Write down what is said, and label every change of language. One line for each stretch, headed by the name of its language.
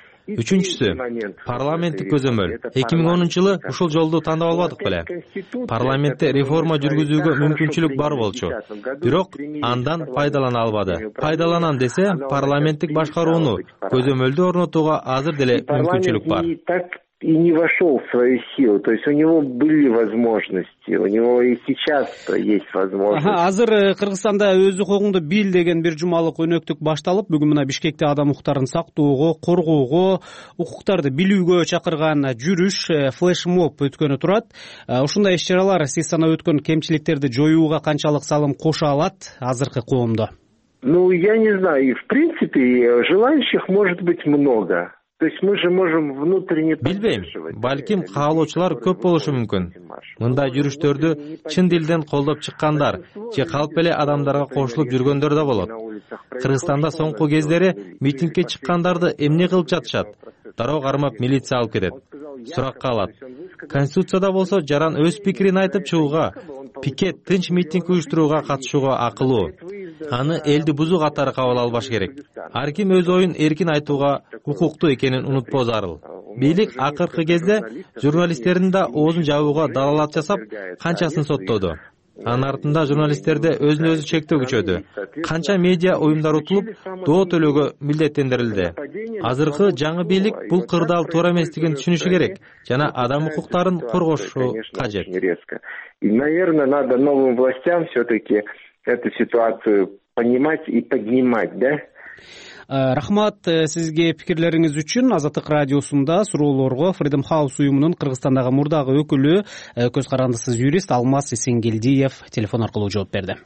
Kyrgyz: Үчүнчүсү, парламенттик көзөмөл. 2010-жылы ушул жолду тандап албадык беле. Парламентте реформа жүргүзүүгө мүмкүнчүлүк бар болчу. Бирок андан пайдалана албады. Пайдаланам десе, парламенттик башкарууну көзөмөлдү орнотууга азыр деле мүмкүнчүлүк бар.
Russian: И не вошел в свою силу. То есть у него были возможности. У него и сейчас есть возможность.
Kyrgyz: Азыр Кыргызстанда өз укугуңду бил деген бир жумалык өнөктүк башталып, бүгүн мына Бишкекте адам укуктарын сактоого, коргоого, укуктарды билүүгө чакырган жүрүш, флешмоб өткөнү турат. Ушундай иш-чаралар сиз санап өткөн кемчиликтерди жоюуга канчалык салым кошо алат азыркы коомдо?
Russian: Ну, я не знаю. И в принципе, желающих может быть много. То есть мы же можем внутренне
Kyrgyz: билбейм, балким каалоочулар көп болушу мүмкүн. Мындай жүрүштөрдү чын дилден колдоп чыккандар же калп эле адамдарга кошулуп жүргөндөр да болот. Кыргызстанда соңку кездери митингке чыккандарды эмне кылып жатышат? Дароо кармап милиция алып кетет. Суракка алат. Конституцияда болсо жаран өз пикирин айтып чыгууга, пикет, тынч митинг уюштурууга катышууга акылуу. Аны элди бузуу катары кабыл албаш керек. Ар ким өз оюн эркин айтууга укуктуу экенин унутпоо зарыл. Бийлик акыркы кезде журналисттердин да оозун жабууга далалат жасап, канчасын соттоду. Анын артында журналисттерде өзүн өзү чектөө күчөдү. Канча медиа уюмдар утулуп, доо төлөөгө милдеттендирилди. Азыркы жаңы бийлик бул кырдаал туура эместигин түшүнүшү керек жана адам укуктарын коргошу кажет.
Russian: И, наверное, надо новым властям все-таки эту ситуацию понимать и поднимать, да?
Kyrgyz: Рахмат сизге пикирлериңиз үчүн. Азаттык радиосунда суроолорго Freedom House уюмунун Кыргызстандагы мурдагы өкүлү, көз карандысыз юрист Алмаз Сенгелдиев телефон аркылуу жооп берди.